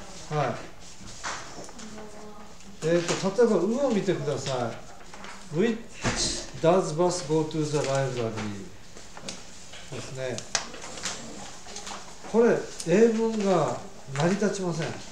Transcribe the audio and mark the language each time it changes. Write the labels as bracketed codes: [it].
[ja] はい、例えば運を見てください。 [en] Which does bus go to the library? [ja] ですね、これ英文が成り立ちません。